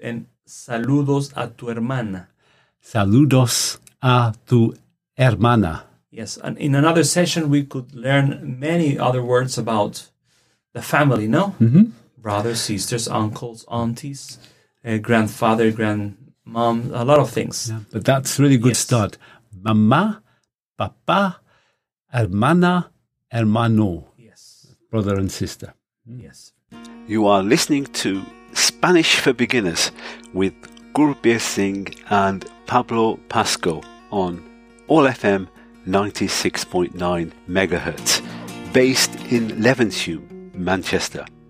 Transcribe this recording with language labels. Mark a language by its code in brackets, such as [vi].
[es] And saludos a tu hermana. Saludos a tu hermana. [en] Yes, and in another session we could learn many other words about the family, no? Mm-hmm. Brothers, sisters, uncles, aunties, grandfather, grandmom, a lot of things. Yeah, but that's really good yes. start. [es] Mamá, papá, hermana, hermano. [en] Yes. Brother and sister. Mm. Yes. You are listening to Spanish for Beginners with Gurbir Singh and Pablo Pasco on All FM 96.9 MHz, based in Levenshulme, Manchester.